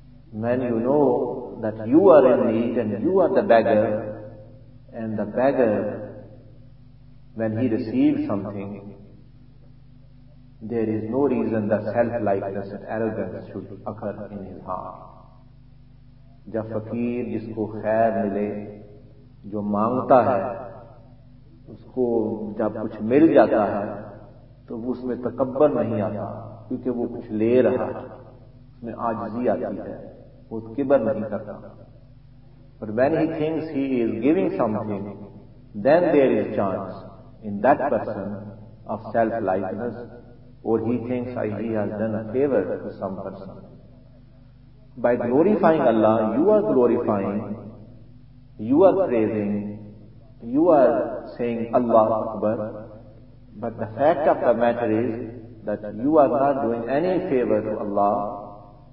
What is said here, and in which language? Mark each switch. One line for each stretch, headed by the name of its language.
English: When you know that you are in need and you are the beggar, and the beggar, when he receives something, there is no reason that self-likeness and arrogance should occur in his heart.
Urdu: Jab fakir jisko khair mile, jo mangta hai, اس کو جب کچھ مل جاتا ہے تو اس میں تکبر نہیں آتا, کیونکہ وہ کچھ لے رہا ہے, اس میں عاجزی آتی ہے, وہ کبر نہیں کرتا.
English: But when he thinks he is giving something, then there is chance in that person of self-likeness, or he thinks he has done a favor to some person. By glorifying Allah, you are glorifying, you are praising, you are saying Allah Akbar, but the fact of the matter is that you are not doing any favor to Allah,